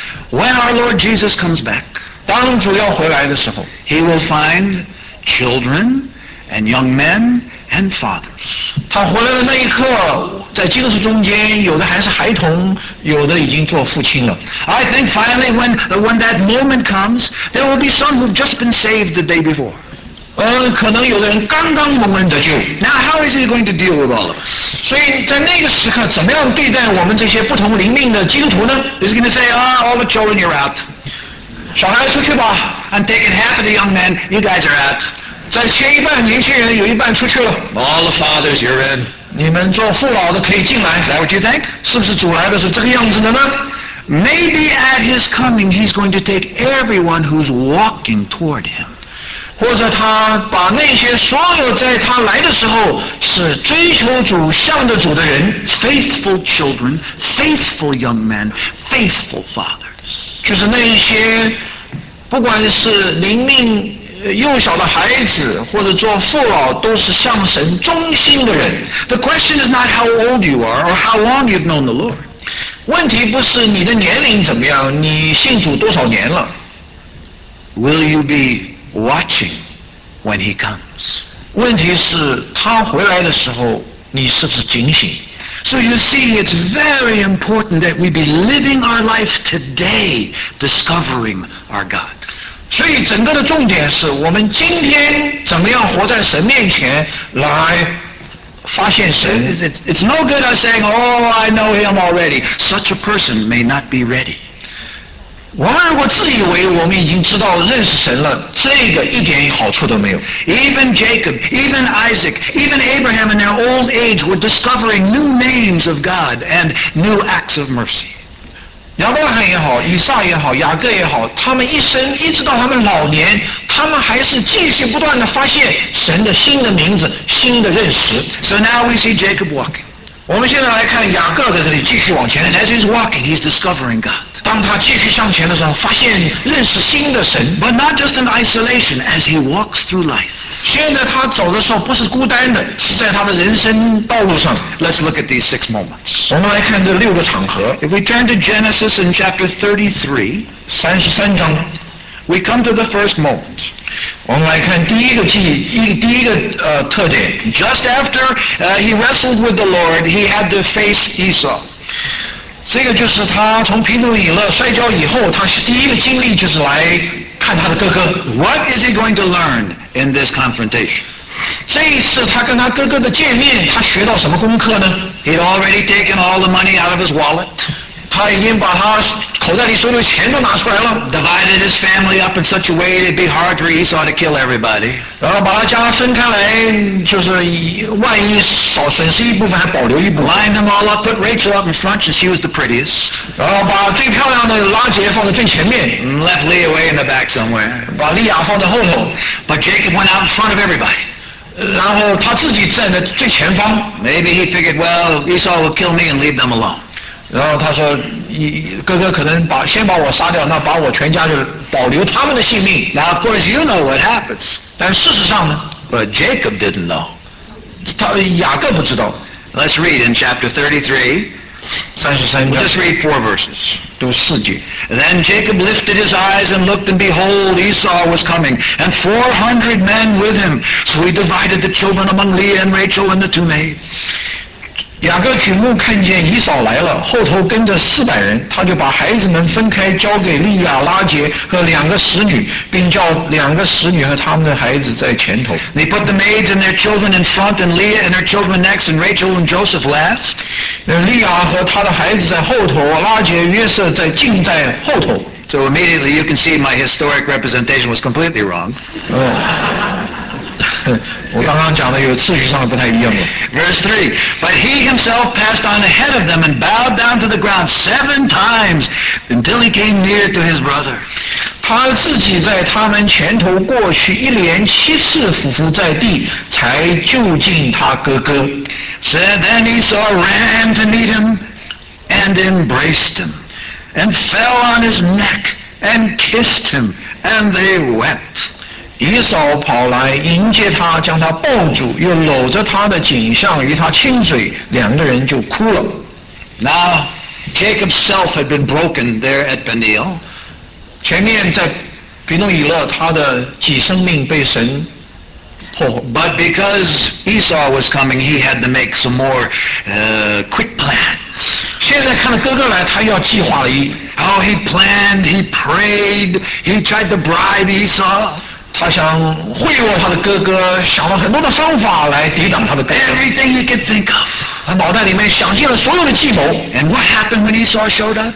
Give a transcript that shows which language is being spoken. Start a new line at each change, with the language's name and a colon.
English: When our Lord Jesus comes back,
Chinese: 当主要回来的时候,
English: He will find children and young men and fathers.
Chinese: 他回来的那一刻，在基督徒中间，有的还是孩童，有的已经做父亲了。
English: I think finally when that moment comes, there will be some who've just been saved the day before.
Chinese: 可能有的人刚刚蒙恩得救。
English: Now how is he going to deal with all of us?
Chinese: 所以在那个时刻，怎么样对待我们这些不同灵命的基督徒呢？
English: He's going to say, all the children you're out.
Chinese: 小孩出去吧。
English: I'm taking half of the young men, you guys are out.
Chinese: 再切一半，年轻人有一半出去了。
English: All the fathers, you're in.
Chinese: 你们做父老的可以进来。
English: Is that what you think?
Chinese: 是不是主来的是这个样子的呢？
English: Maybe at his coming, he's going to take everyone who's walking toward him.
Chinese: 或者他把那些所有在他来的时候是追求主、向着主的人
English: ，faithful children, faithful young men, faithful fathers.
Chinese: 就是那一些，不管是灵命。幼小的孩子或者做父老都是向神忠心的人。
English: The question is not how old you are or how long you've known the Lord.
Chinese: 问题不是你的年龄怎么样，你信主多少年了。
English: Will you be watching when he comes?
Chinese: 问题是他回来的时候，你是不是警醒？
English: So you see, it's very important that we be living our life today, discovering our God.
Chinese: 所以整个的重点是我们今天怎么样活在神面前来发现神。
English: It's no good us saying, oh, I know him already. Such a person may not be ready.
Chinese: 我们如果自以为我们已经知道认识神了，这个一点好处都没有。
English: Even Jacob, even Isaac, even Abraham in their old age were discovering new names of God and new acts of mercy.
Chinese: 亚伯拉罕也好，以撒也好，雅各也好，他们一生一直到他们老年，他们还是继续不断地发现神的新的名字，新的认识。
English: So now we see Jacob walking.
Chinese: 我们现在来看雅各在这里继续往前。
English: As he's walking, he's discovering God.
Chinese: 当他继续向前的时候，发现认识新的神。
English: But not just in isolation, as he walks through life.
Chinese: 现在他走的时候不是孤单的，是在他的人生道路上。
English: Let's look at these six moments.
Chinese: 我们来看这六个场合。
English: If we turn to Genesis in chapter 33,
Chinese: 33章，
English: we come to the first moment.
Chinese: 我们来看第一个特点。
English: Just after he wrestled with the Lord, he had to face Esau.
Chinese: 这个就是他从贫穷以乐摔跤以后，他第一个经历就是来看他的哥哥。
English: What is he going to learn in this confrontation?
Chinese: 这一次他跟他哥哥的见面，他学到什么功课呢？
English: He'd already taken all the money out of his wallet.
Chinese: 他已经把他口袋里所有的钱都拿出来了。
English: Divided his family up in such a way it'd be hard for Esau to kill everybody.
Chinese: 然后把他家分开来，就是万一少损失一部分，还保留一部分。
English: Lined them all up, put Rachel up in front, and she was the prettiest.
Chinese: 然后把最漂亮的拉杰放在最前面。
English: And left Leah way in the back somewhere.
Chinese: 把利亚放在后头。
English: But Jacob went out in front of everybody.
Chinese: 然后他自己站在最前方。
English: Maybe he figured, well, Esau will kill me and leave them alone.
Chinese: 然后他说哥哥可能先把我杀掉，那把我全家就保留他们的性命。
English: Now of course you know what happens.
Chinese: 但事实上呢，
English: But Jacob didn't know.
Chinese: 雅各不知道。
English: Let's read in chapter 33
Chinese: 33
English: We'll just read four verses.
Chinese: 读四句。
English: Then Jacob lifted his eyes and looked, and behold Esau was coming, and 400 men with him. So he divided the children among Leah and Rachel and the two maids.
Chinese: 雅各举目看见以扫来了，后头跟着四百人，他就把孩子们分开交给利亚、拉杰和两个使女，并叫两个使女和他们的孩子在前头。
English: They put the maids and their children in front, and Leah and her children next, and Rachel and Joseph last.
Chinese: 利亚和他的孩子在后头，拉杰、约瑟在近在后头。
English: So immediately you can see my historic representation was completely wrong.
Chinese: 我刚刚讲的有次序上的不太一样了。
English: Verse 3, but he himself passed on ahead of them and bowed down to the ground seven times until he came near to his brother.
Chinese: 他自己在他们前头过去，一连七次俯伏在地，才就近他哥哥。
English: So then Esau ran to meet him and embraced him and fell on his neck and kissed him and they wept.
Chinese: 以扫跑来迎接他，将他抱住，又搂着他的颈项与他亲嘴，两个人就哭了。
English: Now, Jacob's self had been broken there at Peniel.
Chinese: 前面在比诺以勒，他的己生命被神破坏。
English: But But because Esau was coming, he had to make some more quick plans.
Chinese: 现在看到哥哥来，他要计划了。
English: Oh, he planned, he prayed, he tried to bribe Esau.
Chinese: 他想贿赂他的哥哥，想了很多的方法来抵挡他的哥哥。
English: Everything he could think of.
Chinese: 他脑袋里面想尽了所有的计谋。
English: And what happened when Esau showed up?